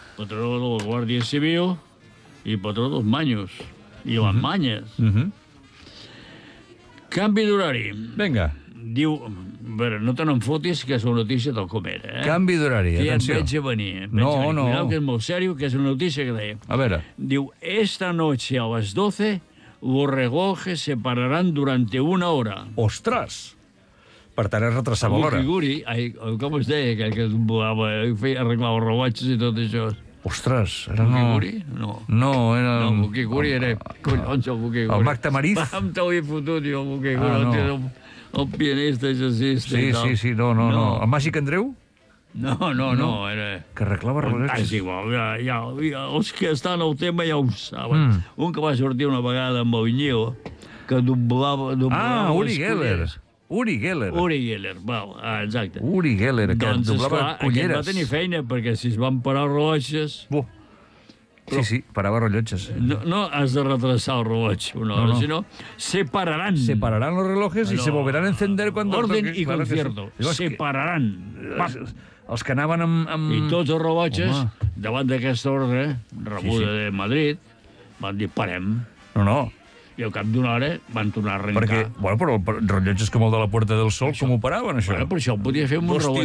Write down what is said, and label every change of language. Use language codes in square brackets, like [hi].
[ca] Patró de la Guàrdia Civil i patró dels Maños i les Manyes. Canvi d'horari. Vinga. Diu, veure, no te n'enfotis, que és una notícia tal com era. Canvi d'horari, que atenció. Que ja et veig a venir. No. Cuidado, que és molt sèrio, que és una notícia que deia. A veure. [es] Diu, esta noche a las 12 los relojes se pararán durante una hora. [ca] Ostres! Per tant, es retrasava l'hora. Figuri, com es deia aquell que volava, arreglava rellotges i tot això? Ostres, era... El Buquiguri? No. No, era... No, el Buquiguri era... Collons, el Buquiguri. El Mac Tamariz? Vam t'ho he fotut, jo, el Buquiguri. Ah, no. El pianista, el jazzista sí, i tal. Sí, sí, no. El Màgic Andreu? No, era... Que arreglava rellotges? És igual, ja, els que estan al tema ja ho saben. Un que va sortir una vegada amb el Iñigo, que doblava Ah, Uri Geller. Uri Geller, val, exacte. Uri Geller, que doncs, doblava culleres. Doncs, esclar, aquest va tenir feina, perquè si es van parar rellotges... Sí, parava rellotges. No has de retrasar el rellotge una hora, sinó separaran. [es] Separaran los relojes y se volverán a encender cuando... Orden y concierto. Separaran. [ca] Els que anaven amb... I tots els rellotges, davant d'aquesta ordre, rebuda de Madrid, van dir, parem. No. I al cap d'una hora van tornar a arrencar. Perquè, bueno, però rellotges com el de la Puerta del Sol, això, com ho paraven, això? Bueno, per això el podia fer amb dos un rellotge.